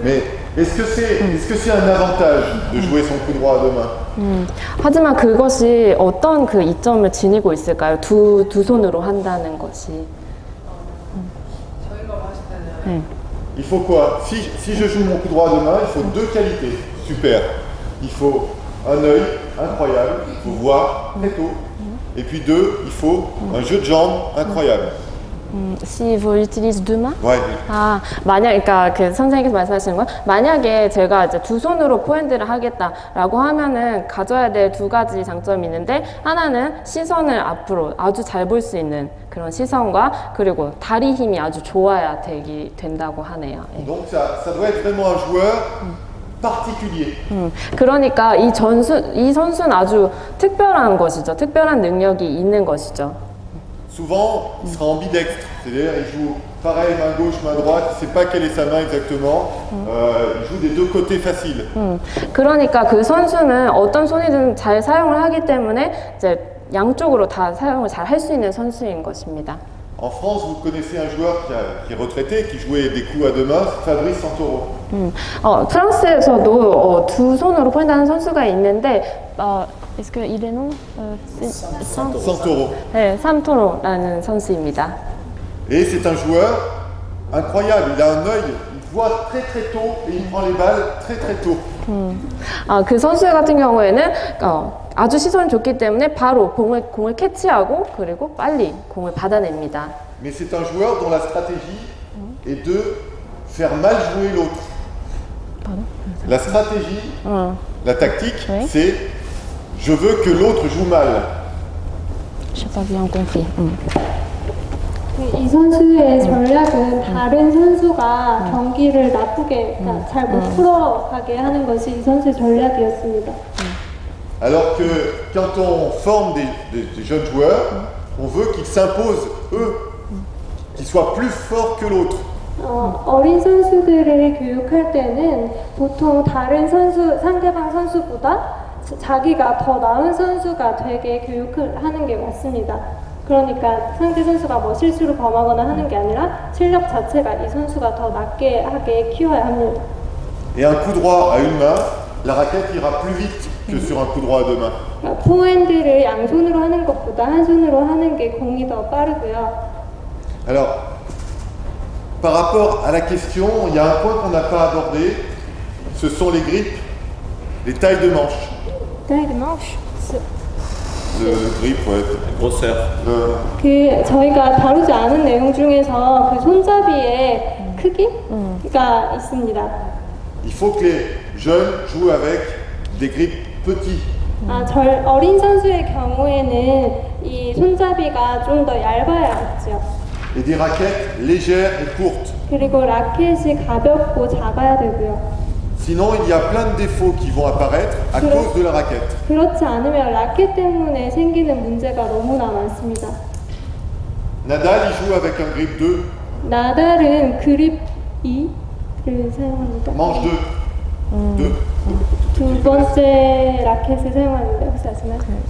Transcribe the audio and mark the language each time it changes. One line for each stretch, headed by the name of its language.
French: Mais est-ce que c'est un avantage de jouer son coup droit à deux mains?
Korean: 하지만 그것이 어떤 그 이점을 지니고 있을까요? 두 손으로 한다는 것이. 저희가 봤을 때는. 네.
French: Il faut quoi? Si je joue mon coup droit à deux mains, il faut deux qualités. Super. Il faut un œil incroyable, il faut voir très tôt. Et puis deux, il faut un jeu de jambes incroyable. Si vous utilisez deux mains? Oui.
Korean: Ah, 만약, 그러니까 그 선생님께서 말씀하시는 건 만약에 제가 이제 두 손으로 포핸드를 하겠다라고 하면은 가져야 될 두 가지 장점이 있는데 하나는 시선을 앞으로 아주 잘 볼 수 있는 그런 시선과 그리고 다리 힘이 아주 좋아야 되기 된다고 하네요. 예.
French: Donc ça doit être vraiment un joueur particulier.
Korean: 그러니까 이 전수 이 선수는 아주 특별한 것이죠. 특별한 능력이 있는 것이죠.
French: Souvent, il sera ambidextre, c'est-à-dire il joue pareil main gauche, main droite, il ne sait pas quelle est sa main exactement, il joue des deux côtés faciles.
Korean: 그러니까 그 선수는 어떤 손이든 잘 사용을 하기 때문에 이제 양쪽으로 다 사용을 잘 할 수 있는 선수인 것입니다.
French: En France, vous connaissez un joueur qui est retraité, qui jouait des coups à deux mains, Fabrice Santoro.
Korean: 프랑스에서도 두 손으로 포핸드하는 선수가 있는데
French: Est-ce qu'il est nom Santoro.
Korean: Santoro라는 선수입니다.
French: Et c'est un joueur incroyable. Il a un œil, il voit très très tôt et il prend les balles très très tôt.
Korean: 그 선수 같은 경우에는 아주 시선이 좋기 때문에 바로 공을 캐치하고 그리고 빨리 공을 받아냅니다.
French: Mais c'est un joueur dont la stratégie est de faire mal jouer l'autre. Pardon? La stratégie, la tactique, c'est Je veux que l'autre joue mal. Je n'ai pas bien compris.
Korean: 이 선수의 전략은 다른 선수가 경기를 나쁘게, 잘 못 풀어가게 하는 것이 이 선수의 전략이었습니다.
French: Alors que quand on forme des jeunes joueurs, on veut qu'ils s'imposent eux, qu'ils soient plus forts que l'autre.
Korean: 어린 선수들을 교육할 때는 보통 다른 선수, 상대방 선수보다 자기가 더 나은 선수가 되게 교육을 하는 게 맞습니다. 그러니까 상대 선수가 뭐 실수를 범하거나 하는 게 아니라 실력 자체가 이 선수가 더 낮게 하게 키워야 합니다.
French: Et un coup droit à une main, la raquette ira plus vite que sur un coup droit à deux mains.
Korean: 포핸드를 양손으로 하는 것보다 한 손으로 하는 게 공이 더 빠르고요.
French: Alors, par rapport à la question, il y a un point qu'on n'a pas abordé. Ce sont les grips, les tailles de manches. Taille de manche. Le grip, ouais. Grosseur.
Korean: 저희가 다루지 않은 내용 중에서 그 손잡이의 크기가 있습니다.
French: Il faut que les jeunes jouent avec des grips petits.
Korean: 어린 선수의 경우에는 이 손잡이가 좀 더 얇아야겠죠.
French: Et des raquettes légères et courtes.
Korean: 그리고 라켓이 가볍고 작아야 되고요.
French: Sinon, il y a plein de défauts qui vont apparaître à cause de la raquette.
Korean: 그렇지 않으면 라켓 때문에 생기는 문제가 너무나 많습니다.
French: Nadal joue avec un grip 2.
Korean: 나달은 그립 2를 사용합니다.
French: Manche 2.
Korean: 두 번째 라켓을 사용하는데 혹시 아시나요?